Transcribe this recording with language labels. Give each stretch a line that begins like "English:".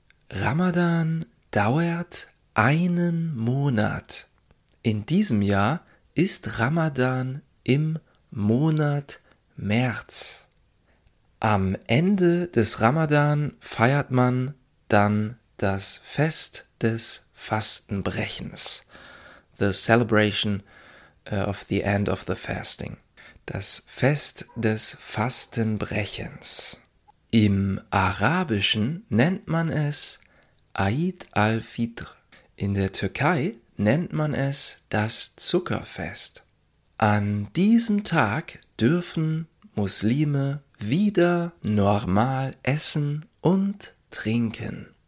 German: Ramadan dauert einen Monat. In diesem Jahr ist Ramadan im Monat März. Am Ende des Ramadan feiert man dann das Fest des Fastenbrechens.
English: The celebration of the end of the fasting.
German: Das Fest des Fastenbrechens. Im Arabischen nennt man es Eid al-Fitr. In der Türkei nennt man es das Zuckerfest. An diesem Tag dürfen Muslime wieder normal essen und trinken.